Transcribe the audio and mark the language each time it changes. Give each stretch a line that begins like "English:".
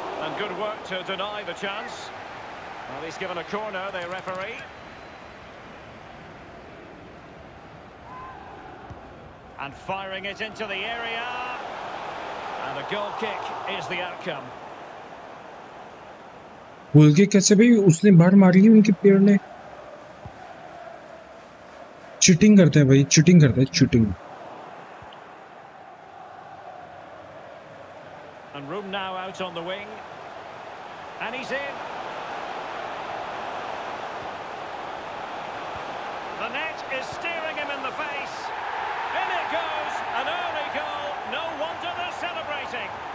English: And good work to deny the chance. Well, he's given a corner, the referee. And firing it into the area. And a goal kick is the outcome.
Hindi: भूल गए कैसे भाई, उसने बाहर मार ली उनके पैर ने। चीटिंग करते हैं भाई, चीटिंग करते हैं, cheating.
English: And room now out on the wing. And he's in. The net is staring him in the face. In it goes, an early goal. No wonder they're celebrating.